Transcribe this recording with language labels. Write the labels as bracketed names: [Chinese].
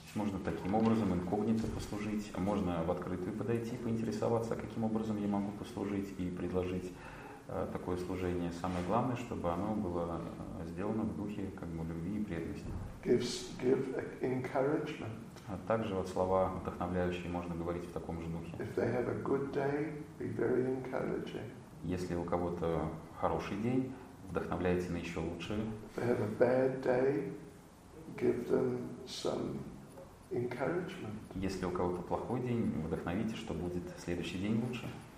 [Russian] Можно таким образом инкогнито послужить, а можно в открытую подойти, поинтересоваться, каким образом я могу послужить и предложить такое служение. Самое главное, чтобы оно было сделано в духе как бы любви и преданности. [English] Give encouragement. [Russian] А также вот слова вдохновляющие можно говорить в таком же духе. [English] If they have a good day, be very encouraging. [Russian] Если у кого-то хороший день, вдохновляйте на еще лучшее. [English] If they have a bad day, give them some encouragement. [Russian] Если у кого-то плохой день, вдохновите, что будет следующий день лучше.